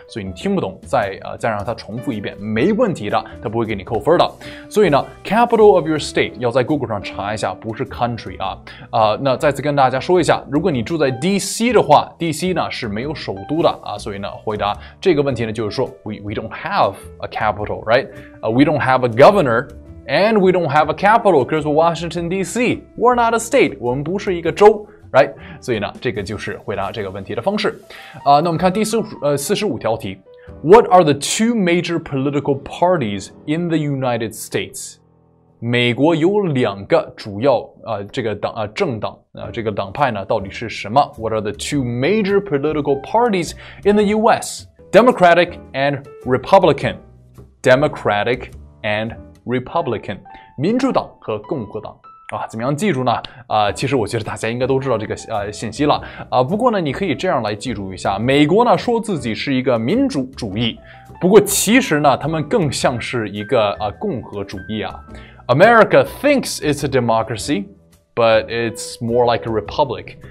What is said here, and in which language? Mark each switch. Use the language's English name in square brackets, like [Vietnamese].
[Chinese] 所以你听不懂，再让他重复一遍，没问题的，他不会给你扣分的。所以呢 ， [English] capital of your state [Chinese] 要在 Google 上查一下，不是 country 啊。那再次跟大家说一下，如果你住在 DC 的话 ，DC 呢是没有首都的啊。所以呢，回答这个问题呢，就是说 [English] we don't have a capital， right？ We don't have a governor, and we don't have a capital, because we're Washington, D.C. We're not a state, [Chinese] 我们不是一个州 [English] right? [Chinese] 所以呢，这个就是回答这个问题的方式。那我们看第45条题。 [English] What are the two major political parties in the United States? [Chinese] 美国有两个主要、这个党、政党、这个党派呢，到底是什么？ [English] What are the two major political parties in the U.S.? Democratic and Republican. Democratic and Republican [Chinese] 民主党和共和党啊，怎么样记住呢其实我觉得大家应该都知道这个信息了不过呢你可以这样来记住一下美国呢说自己是一个民主主义不过其实呢他们更像是一个共和主义啊 [English] America thinks it's a democracy but it's more like a republic